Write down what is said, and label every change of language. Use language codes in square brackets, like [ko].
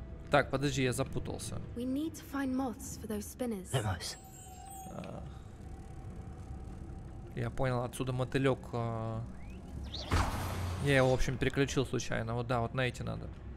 [ru] Так, подожди, я запутался. [en] We need to find moths for those spinners. Lumos. [ru] Я понял, отсюда мотылек. Я его, в общем, переключил случайно. Вот да, вот на эти надо.